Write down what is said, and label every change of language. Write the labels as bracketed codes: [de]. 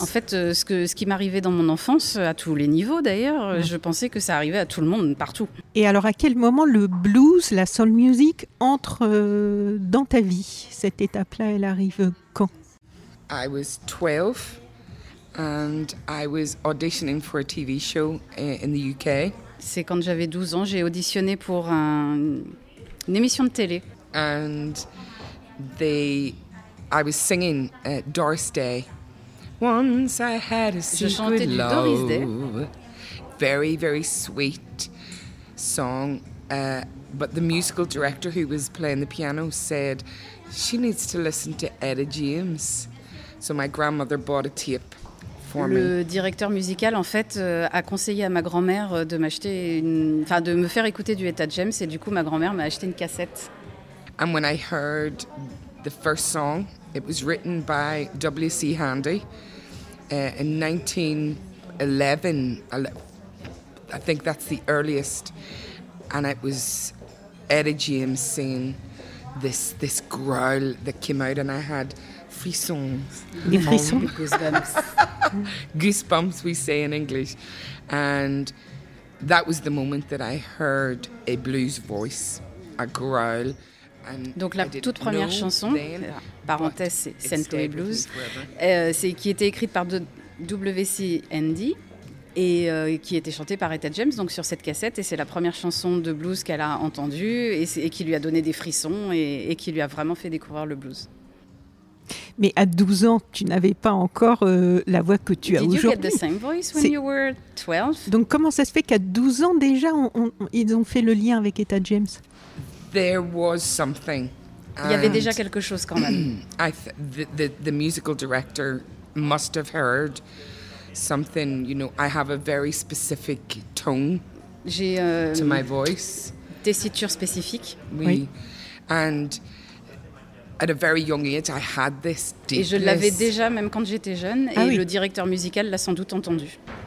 [fr] En fait, ce qui m'arrivait dans mon enfance, à tous les niveaux d'ailleurs, je pensais que ça arrivait à tout le monde, partout. Et alors, à quel moment le blues, la soul music, entre dans ta vie? Cette étape-là, elle arrive quand? [en] I was 12 and I was auditioning for a TV show in the UK. [fr] C'est quand j'avais 12 ans, j'ai auditionné pour une émission de télé. [en] And they... I was singing Doris Day. Once I had a secret love. Very, very sweet song. But the musical director who was playing the piano said, she needs to listen to Etta James. So my grandmother bought a tape for me. [fr] Le directeur musical, en fait, a conseillé à ma grand-mère de m'acheter une... Enfin, de me faire écouter du Etta James. Et du coup, ma grand-mère m'a acheté une cassette. [en] And when I heard the first song... It was written by W.C. Handy in 1911. I think that's the earliest. And it was Etta James singing this growl that came out, and I had frissons. [fr] Des frissons. [en] Goosebumps. Goosebumps, we say in English. And that was the moment that I heard a blues voice, a growl. [fr] Donc la toute première chanson, parenthèse, c'est St. Louis Blues, qui était écrite par W.C. Handy et qui était chantée par Etta James, donc sur cette cassette, et c'est la première chanson de blues qu'elle a entendue et qui lui a donné des frissons et qui lui a vraiment fait découvrir le blues. Mais à 12 ans, tu n'avais pas encore la voix que tu as aujourd'hui. [en] Did you get the same voice when you were 12? [fr] Donc comment ça se fait qu'à 12 ans déjà, ils ont fait le lien avec Etta James? [en] There was something. [fr] Il y avait déjà quelque chose quand même. [en] The musical director must have heard something. You know, I have a very specific tone to my voice. [fr] Tessiture spécifique. Oui. [en] And at a very young age, I had this deep. [fr] Et je l'avais déjà même quand j'étais jeune. Ah, et oui. Le directeur musical l'a sans doute entendu.